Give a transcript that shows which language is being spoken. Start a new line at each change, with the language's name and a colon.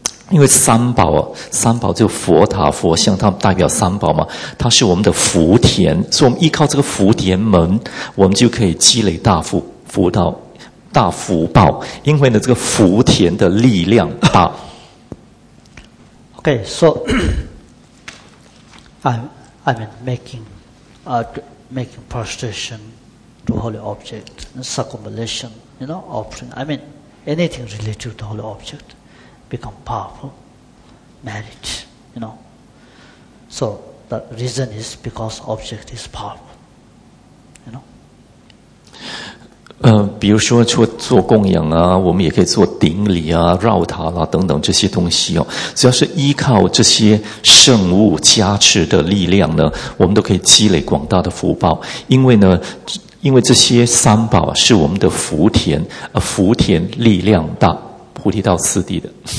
Chinese: 因为三宝，三宝就佛塔、佛像，它代表三宝嘛，它是我们的福田，所以我们依靠这个福田门，我们就可以积累大福福到大福报。因为呢，这个福田的力量大。
English: Okay, so I mean making prostration to holy object, circumambulation, you know, offering. I mean anything related to holy object. Become powerful, merit, you know. So the reason is because object is powerful, you know.
Chinese: 比如说做做供养啊，我们也可以做顶礼啊、绕塔啦、啊、等等这些东西哦。只要是依靠这些圣物加持的力量呢，我们都可以积累广大的福报，因为呢。因为这些三宝是我们的福田，福田力量大，菩提道次第的。